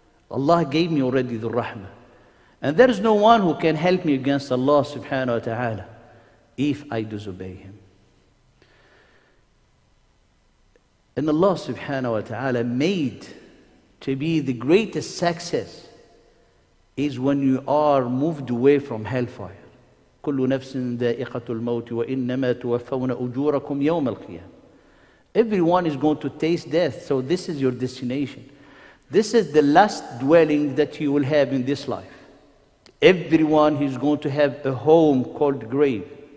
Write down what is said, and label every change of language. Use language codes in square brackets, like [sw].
[en] Allah gave me already the rahmah. And there is no one who can help me against Allah subhanahu wa ta'ala if I disobey Him. And Allah subhanahu wa ta'ala made to be the greatest success is when you are moved away from hellfire. [ar] كل نفس ذائقة الموت وإنما توفون أجوركم يوم القيامة. [en] Everyone is going to taste death, so this is your destination. This is the last dwelling that you will have in this life. Everyone is going to have a home called grave.